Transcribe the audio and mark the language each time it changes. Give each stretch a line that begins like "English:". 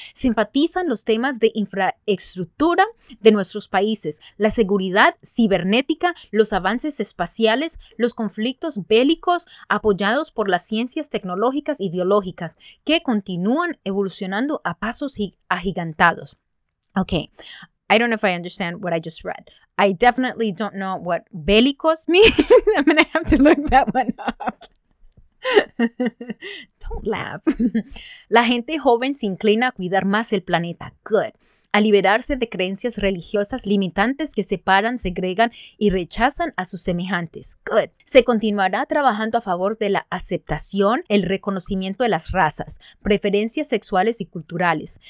Spanish: Se enfatizan los temas de infraestructura de nuestros países, la seguridad cibernética, los avances espaciales, los conflictos bélicos apoyados por las ciencias tecnológicas y biológicas que continúan evolucionando a pasos agigantados.
English: Okay, I don't know if I understand what I just read. I definitely don't know what bélicos mean. I'm going to have to look that one up. Don't laugh.
Spanish: La gente joven se inclina a cuidar más el planeta.
English: Good.
Spanish: A liberarse de creencias religiosas limitantes que separan, segregan y rechazan a sus semejantes.
English: Good.
Spanish: Se continuará trabajando a favor de la aceptación, el reconocimiento de las razas, preferencias sexuales y culturales.